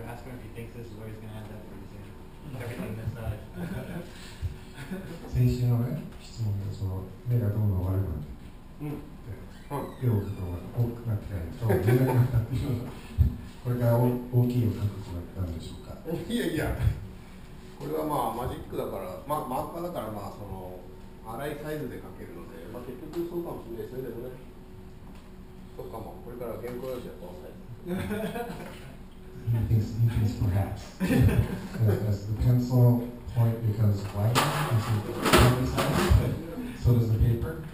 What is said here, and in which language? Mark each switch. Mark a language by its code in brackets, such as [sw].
[en] Ask him if he thinks this is where he's going to end up pretty soon. Everything this side. [ja] 先週のね、質問でその目がどんどん悪くなってきて、で、絵を描くのが多くなってきて、そう、見なくなったっていうのが、これから大きい絵を描くことになったんでしょうか。いやいや、これはまあマジックだから、まあ、マーカーだから、まあその、粗いサイズで描けるので、まあ、結局そうかもしれないですけどね、そうかも、これから原稿用紙はこのサイズ。 [en] He thinks perhaps as the pencil point becomes wider, as it becomes size, so does the paper.